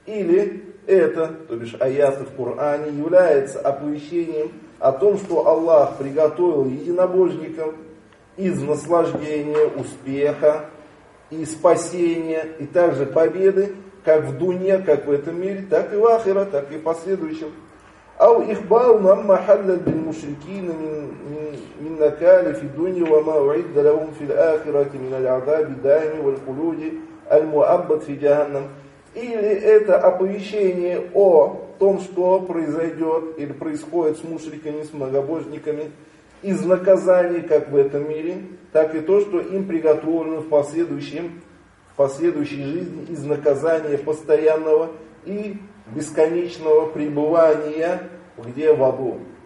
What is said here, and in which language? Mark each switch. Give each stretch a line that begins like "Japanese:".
Russian: Или это, то бишь аяты в Коране, является оповещением о том, что Аллах приготовил единобожникам из наслаждения, успеха и спасения, и также победы, как в дуне, как в этом мире, так и в ахира, так и в последующем.
Arabic: أو إخبار أما حل للمشركين من نكال في الدنيا وما أعد لهم في الآخرة من العذاب الدائم والخلود المؤبد في جهنم.
Russian: Или это оповещение о том, что произойдет или происходит с мушриками, с многобожниками, из наказаний как в этом мире, так и то, что им приготовлено в последующей жизни из наказания постоянного и бесконечного пребывания где в аду.